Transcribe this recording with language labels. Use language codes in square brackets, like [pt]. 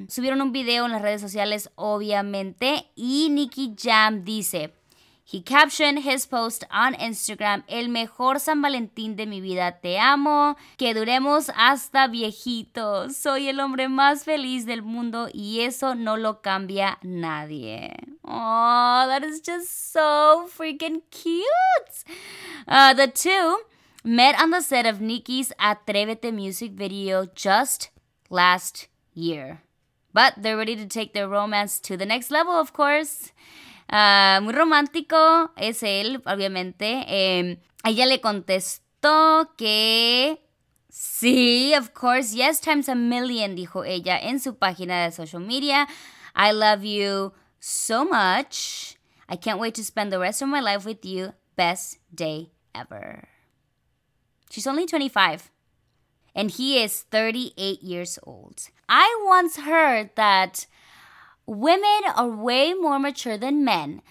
[es] Subieron un video en las redes sociales, obviamente, y Nicki Jam dice, [en] he captioned his post on Instagram, [es] el mejor San Valentín de mi vida, te amo, que duremos hasta viejitos, soy el hombre más feliz del mundo y eso no lo cambia nadie. [en] Oh, that is just so freaking cute. The two met on the set of Nicki's Atrévete music video just last year. But they're ready to take their romance to the next level, of course. [es] Muy romántico es él, obviamente. Ella le contestó que sí, [en] of course, yes times a million, [es] dijo ella en su página de [en] social media. I love you so much. I can't wait to spend the rest of my life with you. Best day ever. She's only 25. And he is 38 years old. I once heard that women are way more mature than men.